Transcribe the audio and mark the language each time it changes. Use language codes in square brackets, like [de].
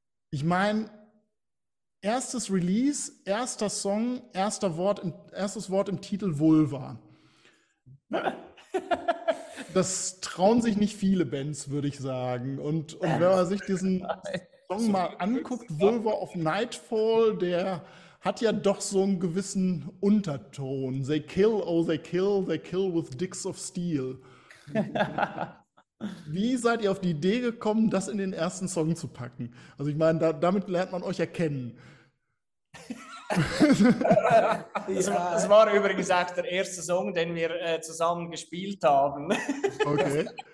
[de] Ich meine, erstes Release, erster Song, erstes Wort im Titel Vulva. Das trauen sich nicht viele Bands, würde ich sagen. Und wenn man sich diesen Song mal anguckt, Vulva of Nightfall, der hat ja doch so einen gewissen Unterton. [en] They kill, oh they kill with dicks of steel. [de] Wie seid ihr auf die Idee gekommen, das in den ersten Song zu packen? Also ich meine, damit lernt man euch erkennen. Das war übrigens auch der erste Song, den wir zusammen gespielt haben. Okay.